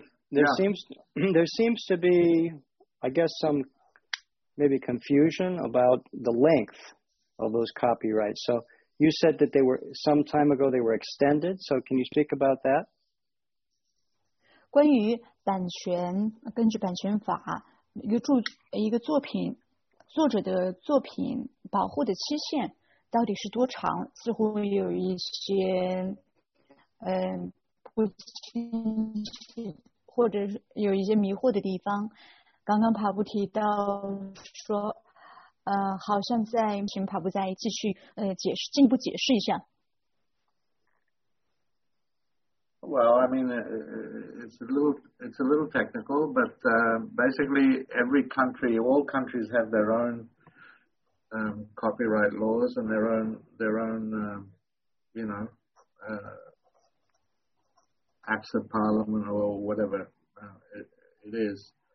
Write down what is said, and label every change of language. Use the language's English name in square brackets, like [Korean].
[English] There seems to be, I guess, some maybe confusion about the length of those copyrights. So you said that they were some time ago they were extended. So can you speak about that? [Chinese] 关于版权，根据版权法，一个作品作者的作品保护的期限到底是多长？似乎有一些不清晰，或者是有一些迷惑的地方。刚刚跑步提到说，好像在请跑步再继续解释，进一步解释一下。 [English] Well, I mean, it's a little technical, but basically every country, all countries have their own copyright laws and their own, acts of parliament or whatever it is.